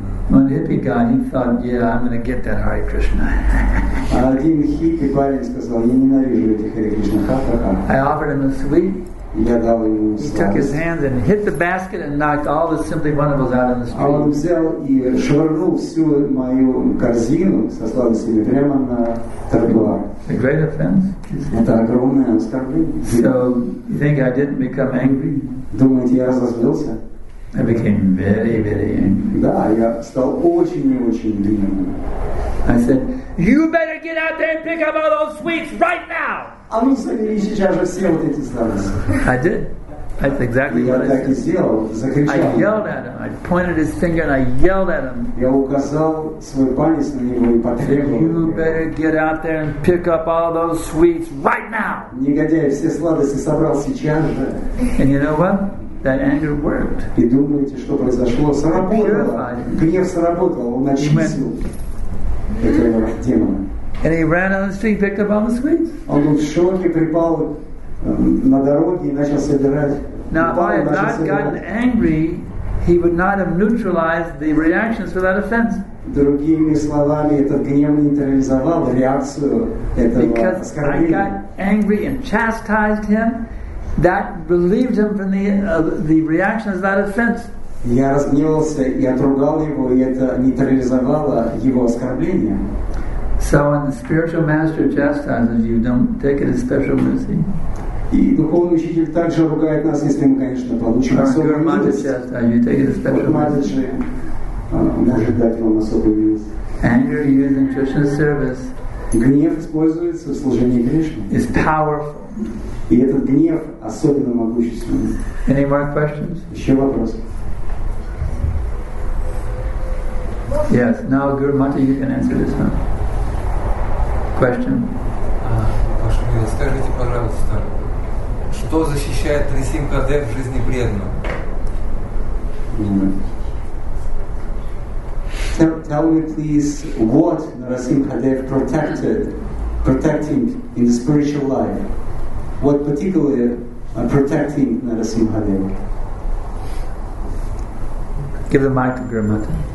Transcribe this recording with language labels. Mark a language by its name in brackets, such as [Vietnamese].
[English] But one hippie guy, he thought, yeah, I'm going to get that Hare Krishna. [Russian] Один хиппи парень сказал, я ненавижу эти Hare Krishna. [English] I offered him a sweet. He took his hands and hit the basket and knocked all the simply wonderfuls out in the street. [Russian] Он взял и швырнул всю мою корзину со сладостями прямо на тротуар. [English] A great offense. [Russian] Это огромное оскорбление. [English] So you think I didn't become angry? [Russian] Думаете, я разозлился? [English] I became very, very angry. [Russian] Да, я стал очень и очень гневным. [English] I said, "You better get out there and pick up all those sweets right now." [Russian] А ну собери сейчас же все вот эти сладости. [English] I did. That's exactly what I said. [Russian] Я так и сделал. Закричал. [English] I yelled at him. I pointed his finger and I yelled at him. [Russian] Я указал свой палец на него и потребовал. [English] You better get out there and pick up all those sweets right now. [Russian] Негодяй, все сладости собрал сейчас же. [English] And you know what? That anger worked. [Russian] И думаете, что произошло? Сработало. Гнев сработал. Он очистил. [English] And he ran on the street, picked up all the sweets. [Russian] Он был в шоке, припал на дороге и начал собирать. [English] Now, if I had not gotten angry, he would not have neutralized the reactions for that offense. [Russian] Другими словами, этот гнев нейтрализовал реакцию этого оскорбления. [English] Because I got angry and chastised him, that relieved him from the reactions of that offense. [Russian] Я разгневался и отругал его, и это нейтрализовало его оскорбление. [English] So when the spiritual master chastises you, don't take it as special mercy. [Russian] И духовный учитель также ругает нас, если мы, конечно, получим особую милость. [English] You take it as special mercy. [Russian] Может дать вам особую милость. [English] Anger used in Krishna's service. [Russian] Гнев используется в служении Кришне. [English] Is powerful. [Russian] И этот гнев особенно могущественный. [English] Any more questions? [Russian] Еще вопросы? [English] Yes, now Guru Mata, you can answer this one. Question. [Russian] Скажите, пожалуйста, что защищает три симха дев в жизни преданного? [English] Tell me please what Narasimha Dev protecting in the spiritual life. What particularly protecting Narasimha Dev? Give the mic to Guru Mata.